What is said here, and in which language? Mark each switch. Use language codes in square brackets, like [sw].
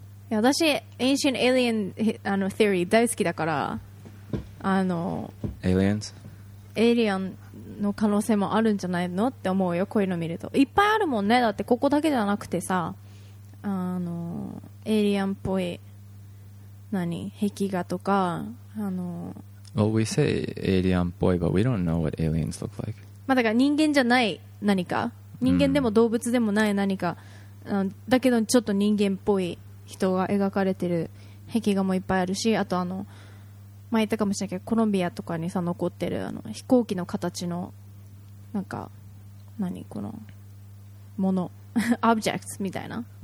[ja] いや、私 [en] ancient alien [ja] あの theory 大好きだから、あの [en] aliens [ja] エイリアンの可能性もあるんじゃないのって思うよ。こういうの見るといっぱいあるもんね。だってここだけじゃなくてさ、あのエイリアンっぽい何壁画とか、あの [en] well we say alien っぽい but we don't know what aliens look like、 [ja] まあ、だから人間じゃない何か、人間でも動物でもない何か、だけどちょっと人間っぽい人が描かれてる壁画もいっぱいあるし、あとあの前言ったかもしれないけど、コロンビアとかにさ残ってるあの飛行機の形のなんか何このもの、オブジェクトみたいな、